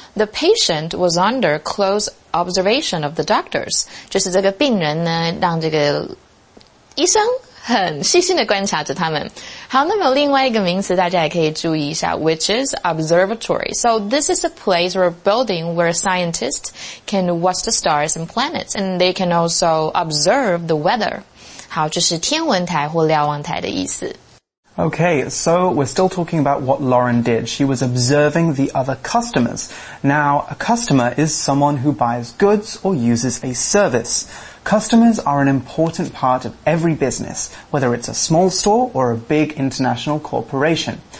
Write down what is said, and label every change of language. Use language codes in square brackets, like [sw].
[en] The patient was under close observation of the doctors. [zh] 就是这个病人呢让这个医生很细心的观察着他们。好，那么另外一个名词大家也可以注意一下 , [en] which is observatory. So this is a place or a building where scientists can watch the stars and planets, and they can also observe the weather. [zh] 好，就是天文台或瞭望台的意思。 [en] Okay, so we're still talking about what Lauren did. She was observing the other customers. Now, a customer is someone who buys goods or uses a service. Customers are an important part of every business, whether it's a small store or a big international corporation.